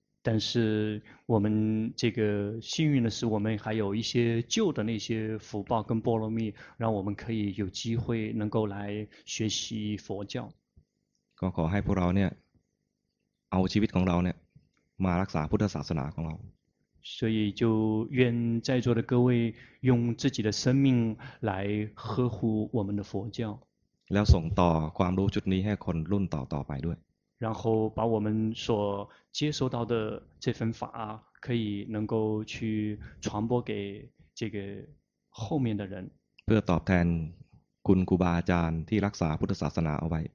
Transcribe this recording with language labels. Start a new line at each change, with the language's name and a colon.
Chinese: 但是我们这个幸运的是我们还有一些旧的那些福报跟波罗蜜让我们可以有机会能够来学习佛教
Thai: ก็ขอให้พวกเราเนี่ยเอาชีวิตของเราเนี่ยมารักษาพุทธศาสนาของเรา
Chinese: 所以就愿在座的各位用自己的生命来呵护我们的佛教
Thai: แล้วส่งต่อความรู้ชุดนี้ให้คนรุ่นต่อไปด้วย
Chinese: 然后把我们所接收到的这份法可以能够去传播给这个后面的人
Thai: เพื่อตอบแทนคุณครูบาอาจารย์ที่รักษาพุทธศาสนาเอาไว